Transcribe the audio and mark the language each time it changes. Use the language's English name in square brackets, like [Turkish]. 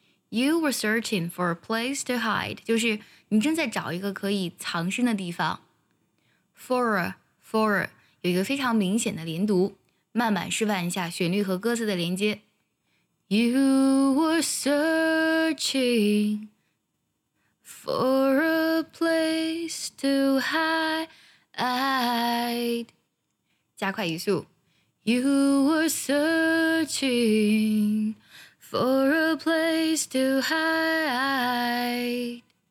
[English] You were searching for a place to hide. [Chinese] 就是你正在找一个可以藏身的地方。For 有一个非常明显的连读，慢慢示范一下旋律和歌词的连接。 [English] You were searching for a place to hide. [Chinese] 加快语速。 [English] You were searching for a place to hide.